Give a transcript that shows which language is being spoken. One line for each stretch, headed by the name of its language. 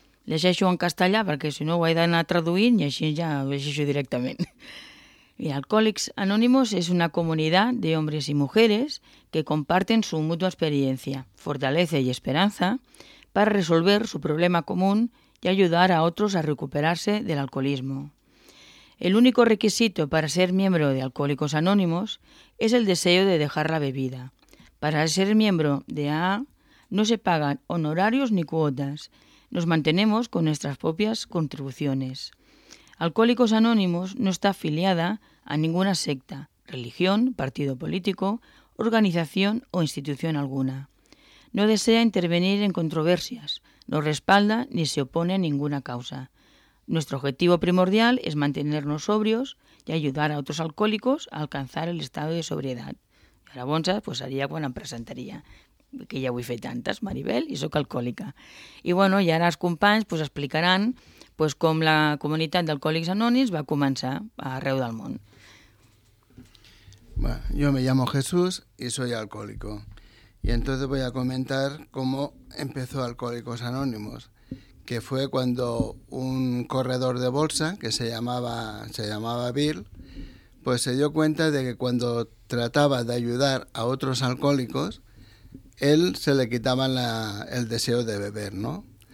Catalan: Llegeixo en castellà perquè si no ho he d'anar traduint i així ja ho llegeixo directament. I Alcohólicos Anónimos és una comunitat de homes i dones que
Spanish: comparten su mutua
Catalan: experiència, fortalesa i esperança per resolver su problema comú i ajudar a altres a recuperar-se de l'alcoholisme.
Spanish: El único requisito para ser miembro de Alcohólicos Anónimos es el deseo de dejar la bebida. Para ser miembro de AA no se pagan honorarios ni cuotas. Nos mantenemos con nuestras propias contribuciones. Alcohólicos Anónimos no está afiliada a ninguna secta, religión, partido político, organización o institución alguna. No desea intervenir en controversias, no respalda ni se opone a ninguna causa. Nuestro objetivo primordial es mantenernos sobrios y ayudar a otros alcohólicos a alcanzar el estado de sobriedad. Y ahora Bonsa pues, haría cuando me presentaría.
Catalan: Que ja ho he fet tantes, Maribel, i sóc alcohòlica. I, bueno, i ara els companys pues, explicaran pues, com la comunitat d'alcohòlics anònims va començar arreu del món.
Spanish: Bueno, yo me llamo Jesús y soy alcohólico. Y entonces voy a comentar cómo empezó Alcohólicos Anónimos, que fue cuando un corredor de bolsa, que se llamaba Bill, pues se dio cuenta de que cuando trataba de ayudar a otros alcohólicos, él se le quitaba el deseo de beber, ¿no?